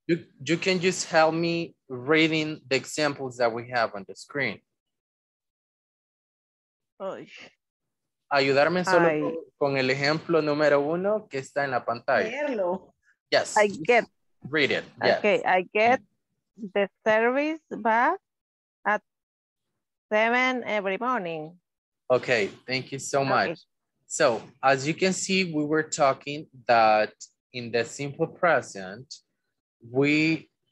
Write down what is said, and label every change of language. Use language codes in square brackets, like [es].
[en] You can just help me reading the examples that we have on the screen. [es] Ayudarme solo con el ejemplo número uno que está en la pantalla. Leerlo. [en] Yes. I get. Read it. Yes. Okay. I get the service bus at 7 every morning. Okay. Thank you so much. So as you can see, we were talking that in the simple present, we